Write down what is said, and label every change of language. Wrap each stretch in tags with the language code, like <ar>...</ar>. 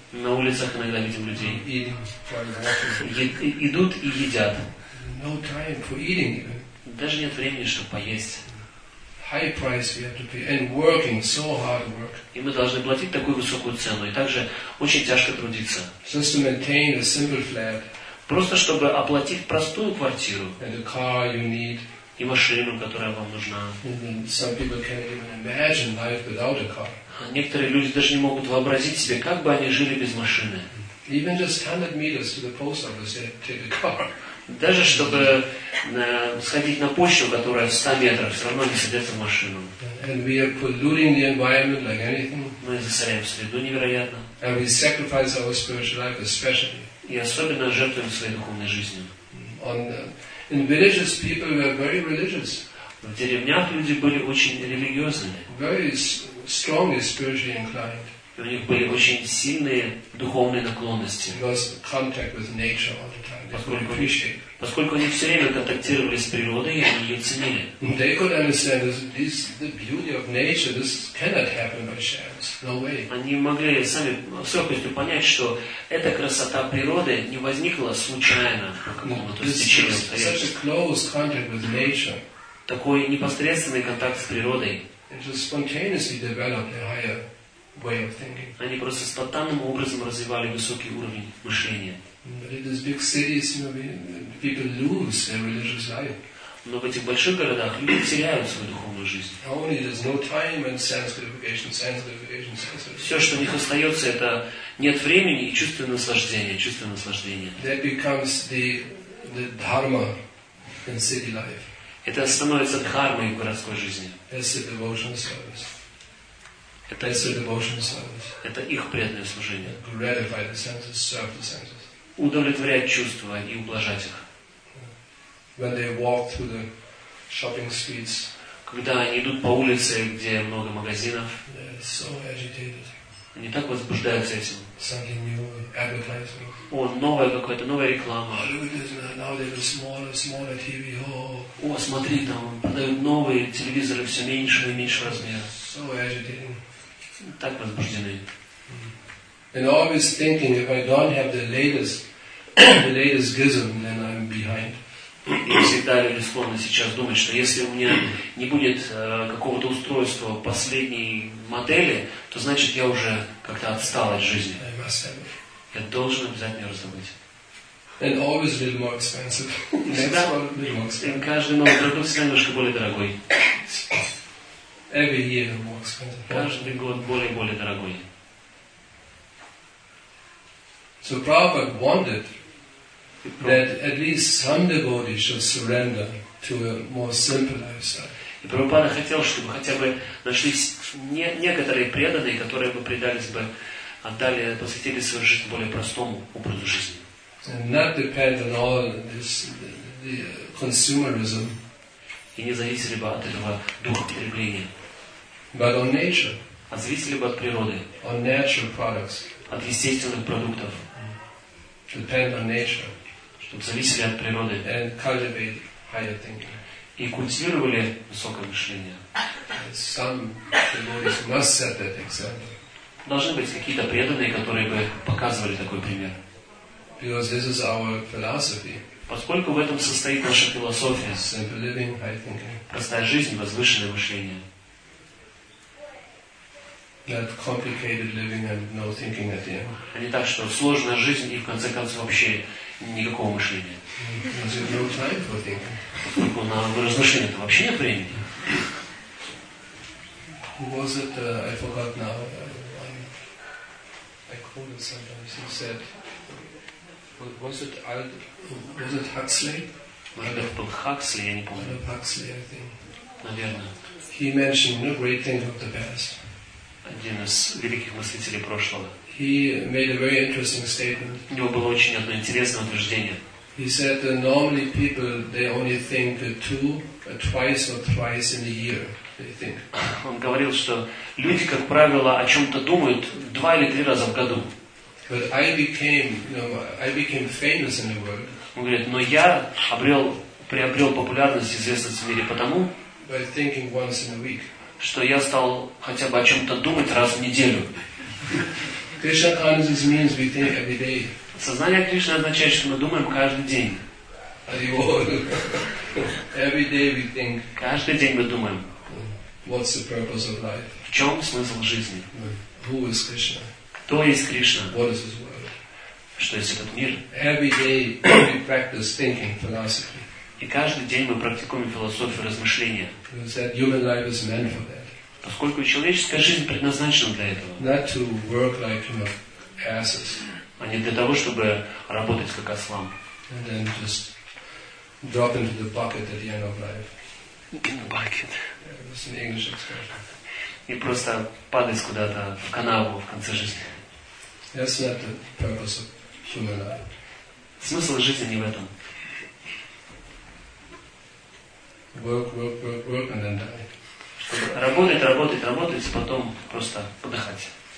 <ru>На улицах иногда видим людей.</ru> <en>Eating,</en> <ru>идут и едят.</ru> <en>No time for eating.</en> <ru>Даже нет времени, чтобы поесть.</ru> <en>High price we have to pay and working so hard work.</en> <ru>И мы должны платить такую высокую цену и также очень тяжко трудиться.</ru> <en>Just to maintain a simple flat.</en> <ru>Просто чтобы оплатить простую квартиру.</ru> <en>And the car you need.</en> <ru>И машину, которая вам нужна.</ru> <en>Some people can't even imagine life without a car.</en> <ru>Некоторые люди даже не могут вообразить себе, как бы они жили без машины.</ru> <en>Even just 100 meters to the post office to take a car.</en> <ru>Даже чтобы сходить на почту, которая в 100 метрах, все равно не садится в машину.</ru> <en>And we are polluting the environment like anything.</en> <ru>Мы засоряем среду невероятно.</ru> <en>And we sacrifice our spiritual life especially.</en> <ru>И особенно жертвуем своей духовной жизнью.</ru> <en>In villages, people were very religious.</en> <ru>В деревнях люди были очень религиозными.</ru> <en>Very strongly spiritually inclined.</en> <ru>И у них были очень сильные духовные наклонности.</ru> <en>Because contact with nature all the time.</en> <ru>Поскольку они все время контактировали с природой, они ее ценили.</ru> <en>They could understand this, the beauty of nature. This cannot happen by chance. No way.</en> <ru>Они могли сами с легкостью понять, что эта красота природы не возникла случайно, какому-то стечению обстоятельств.</ru> <en>Such a close contact with nature.</en> <ru>Такой непосредственный контакт с природой.</ru> <en>It just spontaneously developed a higher way of thinking.</en> <ru>Они просто спонтанным образом развивали высокий уровень мышления.</ru> <en>But in these big cities, you know, people lose their religious life.</en> <ru>Но в этих больших городах люди теряют свою духовную жизнь.</ru> <en>Only there's no time and sense gratification, sense gratification, sense gratification.</en> <ru>Все, что у них остается, это нет времени и чувство наслаждения, чувство наслаждения.</ru> <en>That becomes the dharma in city life.</en> <ru>Это становится дхармой в городской жизни.</ru> <en>That's a devotional service.</en> <ru>Это их преданное служение.</ru> <en>Gratify the senses, serve the senses.</en> <ru>Удовлетворять чувства и ублажать их.</ru> <en>When they walk through the shopping streets,</en> <ru>когда они идут по улице, где много магазинов,</ru> <en>so agitated.</en> <ru>Они так возбуждаются этим.</ru> <en>Something new, advertising.</en> <ru>О, новая какая-то, новая реклама.</ru> <en>Now they have a smaller, smaller TV.</en> <ru>О, смотри, там продают новые телевизоры все меньше и меньше размера.</ru> <en>So agitated.</en> <ru>Так возбуждены.</ru> <en>And always thinking, if I don't have the latest gizm, then I'm behind.</en> <ru>И всегда люди склонны сейчас думать, что если у меня не будет какого-то устройства последней модели, то значит я уже как-то отстал от жизни.</ru> <en>I must have.</en> <ru>Я должен обязательно раздобыть.</ru> <en>And always a little more expensive.</en> <ru>Всегда</ru> <en>a little more expensive.</en> <ru>И каждый новый продукт всегда немножко более дорогой.</ru> <en>Every year more expensive.</en> <ru>Каждый год более и более дорогой.</ru> <en>So Prabhupada wanted that at least some devotees should surrender to a more simple lifestyle.</en> <ru>И Прабхупада хотел, чтобы хотя бы нашлись некоторые преданные, которые бы предались бы, отдали, посвятили свою жизнь более простому образу жизни.</ru> <en>And not depend on all this the consumerism.</en> <ru>И не зависели бы от этого духа потребления.</ru> <en>But on nature.</en> <ru>А зависели бы от природы.</ru> <en>On natural products.</en> <ru>От естественных продуктов.</ru> <en>Depend on nature.</en> <ru>Чтобы зависели от природы.</ru> <en>And cultivate higher thinking.</en> <ru>И культивировали высокое мышление.</ru> <en>Some devotees must set that example.</en> <ru>Должны быть какие-то преданные, которые бы показывали такой пример.</ru> <en>Because this is our philosophy.</en> <ru>Поскольку в этом состоит наша философия.</ru> <en>Simple living, high thinking.</en> <ru>Простая жизнь, возвышенное мышление.</ru> <en>That complicated living and no thinking at the end.</en> <ru>А не так, что сложная жизнь и в конце концов вообще никакого мышления.</ru> <en>Because you have no time for thinking.</en> <ru>Только на размышление это вообще нет времени.</ru> <en>Who was it? I forgot now. I quoted sometimes. He said, was it Huxley?</en> <ru>Может это был Huxley, я не помню.</ru> <en>Huxley, I think.</en> <ru>Наверное.</ru> <en>He mentioned a great thing of the past.</en> <ru>Один из великих мыслителей прошлого.</ru> <en>He made a very interesting statement.</en> <ru>У него было очень одно интересное утверждение.</ru> <en>He said that normally people, they only think two, twice or thrice in a year, they think.</en> <ru>Он говорил, что люди, как правило, о чем-то думают два или три раза в году.</ru> <en>But I became famous in the world.</en> <ru>Он говорит, но я приобрел популярность, известность в мире потому,</ru> <en>by thinking once in a week.</en> <ru>Что я стал хотя бы о чем-то думать раз в неделю.</ru> <en>Krishna consciousness means we think every day.</en> <ru>Сознание Кришны означает, что мы думаем каждый день.</ru> <en>Every day we think.</en> <ru>Каждый день мы думаем.</ru> <en>What's the purpose of life?</en> <ru>В чем смысл жизни?</ru> <en>Who is Krishna?</en> <ru>Кто есть Кришна?</ru> <en>What is his world?</en> <ru>Что есть этот мир?</ru> <en>Every day we practice thinking philosophy.</en> <ru>И каждый день мы практикуем философию размышления.</ru> <en>Because that human life is meant for that.</en> <ru>Поскольку человеческая жизнь предназначена для этого.</ru> <en>Not to work like you know, asses.</en> <ru>А не для того, чтобы работать как ослам.</ru> <en>And then just drop into the bucket at the end of life. In the bucket. Yeah, that's an English expression.</en> <ru>И просто падать куда-то в канаву в конце жизни.</ru> <en>That's not the purpose of human life.</en> <ru>Смысл жизни не в этом.</ru> <en>Work, work, work, work, and then die.</en> <ru>Чтобы работать, работать, работать, и потом просто подыхать.</ru>